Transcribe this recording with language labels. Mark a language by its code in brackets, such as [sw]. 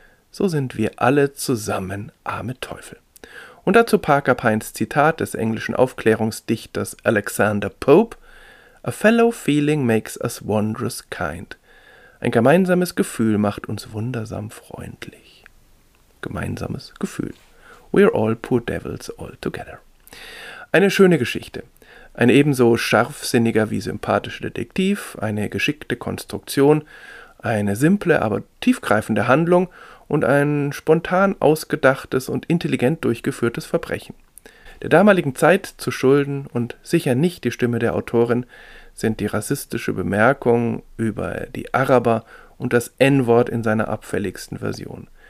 [de] So sind wir alle zusammen arme Teufel. Und dazu Parker Pines Zitat des englischen Aufklärungsdichters Alexander Pope: [en] A fellow feeling makes us wondrous kind. [de] Ein gemeinsames Gefühl macht uns wundersam freundlich. Gemeinsames Gefühl. [en] We're all poor devils all together. [de] Eine schöne Geschichte. Ein ebenso scharfsinniger wie sympathischer Detektiv, eine geschickte Konstruktion, eine simple, aber tiefgreifende Handlung und ein spontan ausgedachtes und intelligent durchgeführtes Verbrechen. Der damaligen Zeit zu schulden und sicher nicht die Stimme der Autorin sind die rassistische Bemerkung über die Araber und das N-Wort in seiner abfälligsten Version.